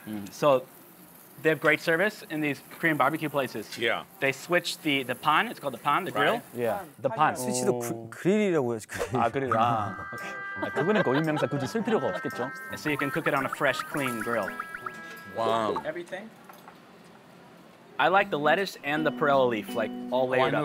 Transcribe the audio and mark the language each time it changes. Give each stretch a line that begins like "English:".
English: So they have great service in these Korean barbecue places. Yeah. They switch the pan. It's called the pan, the grill. Right. Yeah. The pan.
Korean: 스위치도 그릴이라고 해요. 그릴. 그거는 고유명사 굳이 쓸 필요가 없겠죠.
English: So you can cook it on a fresh, clean grill. Wow. Everything. I like the lettuce and the perilla leaf, like all layered up.